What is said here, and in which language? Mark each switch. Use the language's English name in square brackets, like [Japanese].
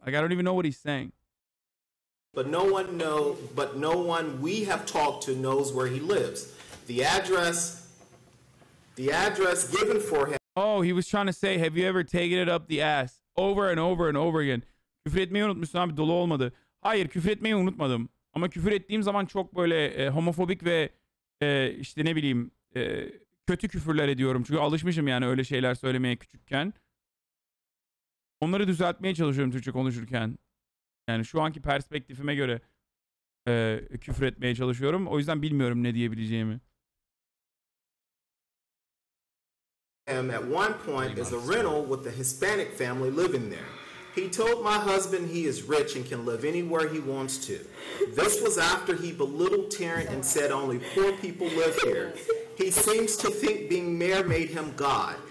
[English] Like, I don't even know what he's saying. But no one we have talked to knows where he lives. The address given for him. Oh, he was trying to say, have you ever taken it up the ass? Over and over and over again. [Turkish] Küfür etmeyi unutmuşsun abi, dolu olmadı. Hayır, küfür etmeyi unutmadım. Ama küfür ettiğim zaman çok böyle homofobik ve işte ne bileyim kötü küfürler ediyorum. Çünkü alışmışım yani öyle şeyler söylemeye küçükken. Onları düzeltmeye çalışıyorum Türkçe konuşurken. Yani şu anki perspektifime göre küfür etmeye çalışıyorum. O yüzden bilmiyorum ne diyebileceğimi. [English] And at one point, there's a rental with a Hispanic family living there. He told my husband he is rich and can live anywhere he wants to. This was after he belittled Tarrant and said only poor people live here. He seems to think being mayor made him God.